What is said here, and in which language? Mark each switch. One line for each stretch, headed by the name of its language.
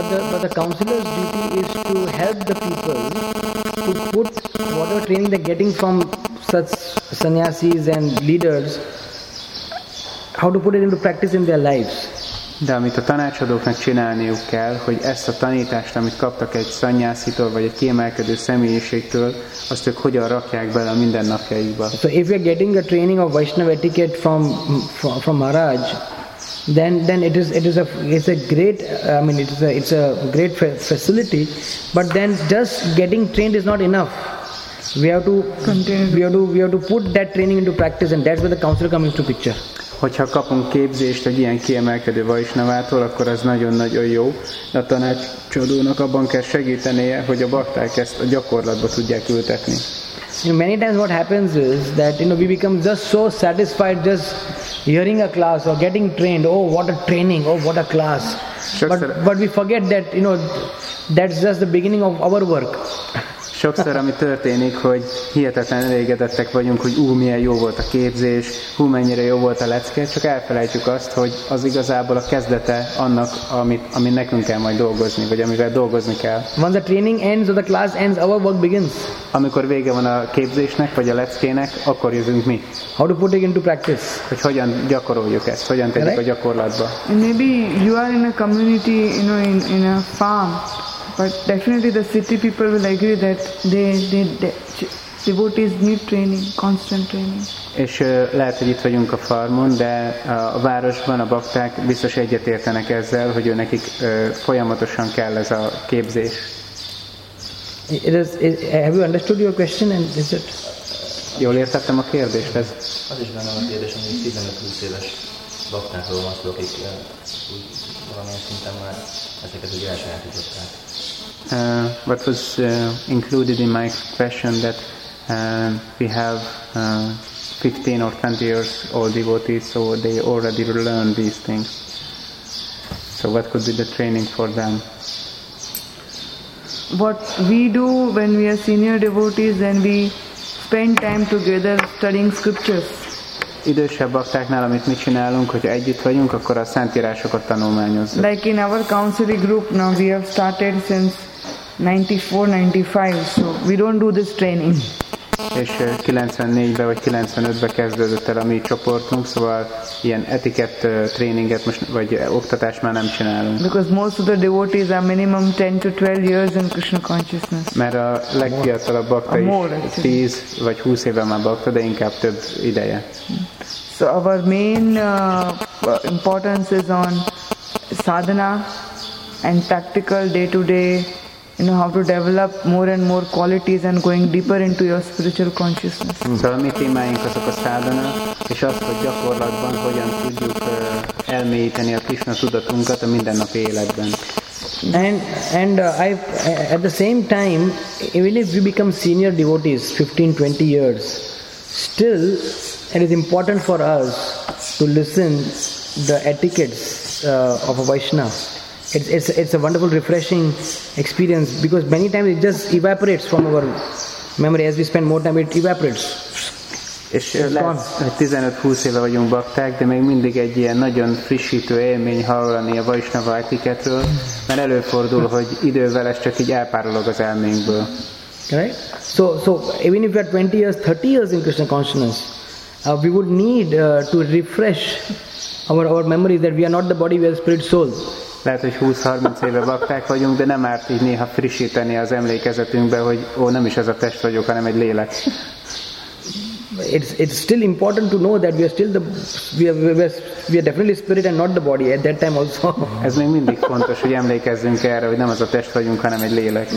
English: But the counselor's duty is to help the people to put whatever training they're getting from such sannyasis and leaders, how to put it into practice in their lives.
Hungarian: De amit a tanácsadóknak csinálniuk kell, hogy ezt a tanítást, amit kaptak egy szanyászitól, vagy egy kiemelkedő személyiségtől, azt ők hogyan rakják bele a mindennapjaikba.
English: So if you're getting a training of Vaishnava etiquette from Maharaj, then it's a great facility, but then just getting trained is not enough. We have to put that training into practice, and that's where the counselor comes into picture.
Hungarian: Hogyha kapunk képzést egy ilyen kiemelkedő Vaishnavától, akkor az nagyon-nagyon jó. De a tanácsadónak abban kell segítenie, hogy a bakták ezt a gyakorlatba tudják ültetni.
English: You know, many times what happens is that, you know, we become just so satisfied just hearing a class or getting trained. Oh, what a training. Oh, what a class. But we forget that, you know, that's just the beginning of our work.
Hungarian: Sokszor ami történik, hogy hihetetlen elégedettek vagyunk, hogy milyen jó volt a képzés, mennyire jó volt a lecke, csak elfelejtjük azt, hogy az igazából a kezdete annak, ami nekünk kell majd dolgozni, vagy amivel dolgozni kell.
English: When the training ends or the class ends, our work begins.
Hungarian: Amikor vége van a képzésnek, vagy a leckének, akkor jövünk mi.
English: How to put it into practice?
Hungarian: Hogy hogyan gyakoroljuk ezt, hogyan tegyük a gyakorlatba.
English: Maybe you are in a community, you know, in a farm. But definitely the city people will agree that they devotees need training, constant training.
Hungarian: És lehet, hogy itt vagyunk a farmon, de a városban a bakták biztos egyetértenek ezzel, hogy nekik folyamatosan kell ez a képzés.
English: Have you understood your question, and is it?
Hungarian: Jól értettem a kérdést. Az is benne van a kérdés, hogy 15-20 éves baktákról van szó, akik valamilyen szinten már ezeket ugye elsajátították.
English: What was included in my question that we have 15 or 20 years old devotees, so they already learned these things. So what could be the training for them? What we do when we are senior devotees, then we spend time together studying scriptures.
Hungarian: Idősebb baktáknál, amit mi csinálunk, hogy együtt vagyunk, akkor a szentírásokat tanulmányozzuk.
English: Like in our counseling group now, we have started since 94-95, so we don't do this training.
Hungarian: És 94-ben vagy 95-ben kezdődött el a mi csoportunk, szóval ilyen etikett tréninget most, vagy oktatást már nem csinálunk.
English: Because most of the devotees are minimum 10-12 years in Krishna consciousness.
Hungarian: Mert a legfiatalabb bakta is 10 vagy 20 éve már bakta, de inkább több ideje.
English: So our main importance is on sadhana and practical day-to-day. You know how to develop more and more qualities and going deeper into your spiritual consciousness.
Hungarian: So a mi témáink azok a szádana, és az, hogy gyakorlatban hogyan tudjuk elmélyíteni a Krishna tudatunkat a mindennapi életben.
English: And I at the same time, even if we become senior devotees 15-20 years, still it is important for us to listen the etiquettes of a Vaishnava. It's a wonderful, refreshing experience, because many times it just evaporates from our memory. As we spend more time, it evaporates.
Hungarian: És lehet, 15-20 éve vagyunk bakták, de még mindig egy ilyen nagyon frissítő élmény hallani a Vaisnava etiketről, mert előfordul, hogy idővel ez csak így elpárolog az elménkből.
English: Right? So even if we are 20 years, 30 years in Krishna consciousness, we would need to refresh our memory that we are not the body, we are spirit soul.
Hungarian: Lehet, hogy 20-30 éve bakták vagyunk, de nem árt így néha frissíteni az emlékezetünkbe, hogy nem is ez a test vagyok, hanem egy lélek.
English: It's still important to know that we are definitely spirit and not the body at that time also.
Hungarian: Ez még mindig fontos, hogy emlékezzünk erre, hogy nem az a test vagyunk, hanem egy lélek.